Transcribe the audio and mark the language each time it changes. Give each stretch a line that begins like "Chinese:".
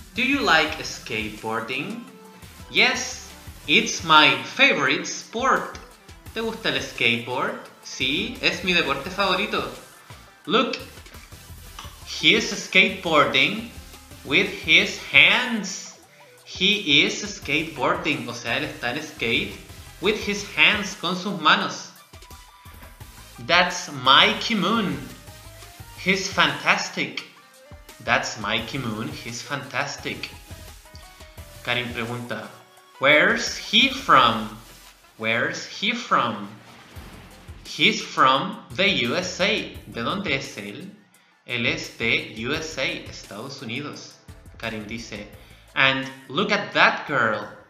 English: Do you like skateboarding? Yes, it's my favorite sport.
Spanish: ¿Te gusta el skateboard? Sí, es mi deporte favorito.
English: Look, he is skateboarding with his hands. He is skateboarding,
Spanish: o sea, él está en skate,
English: with his hands,
Spanish: con sus manos.
English: That's Mikey Moon, he's fantastic. That's Mikey Moon, he's fantastic.
Spanish: Karin pregunta,
English: Where's he from? Where's he from? He's from the USA.
Spanish: ¿De dónde es él? Él es de USA, Estados Unidos. Karin dice,
English: And look at that girl.